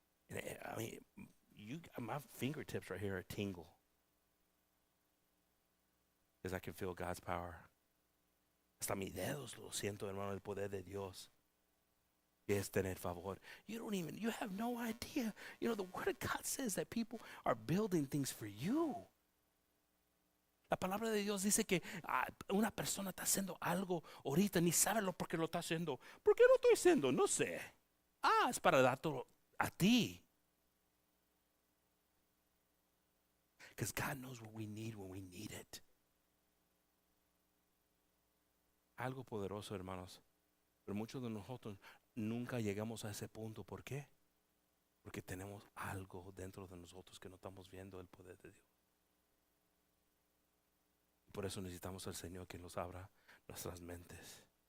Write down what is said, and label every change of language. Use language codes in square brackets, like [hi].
[en] And my fingertips right here are tingle. Because I can feel God's power. [es] Hasta mis dedos lo siento, hermano, el poder de Dios. Es tener favor. [en] You have no idea. You know, the word of God says that people are building things for you. [es] La palabra de Dios dice que una persona está haciendo algo ahorita, ni sabe lo por qué lo está haciendo. ¿Por qué lo estoy haciendo? No sé. Ah, es para dártelo a ti. [en] Because God knows what we need when we need it. [es] Algo poderoso, hermanos. Pero muchos de nosotros nunca llegamos a ese punto. ¿Por qué? Porque tenemos algo dentro de nosotros que no estamos viendo el poder de Dios. Por eso necesitamos al Señor que nos abra nuestras mentes.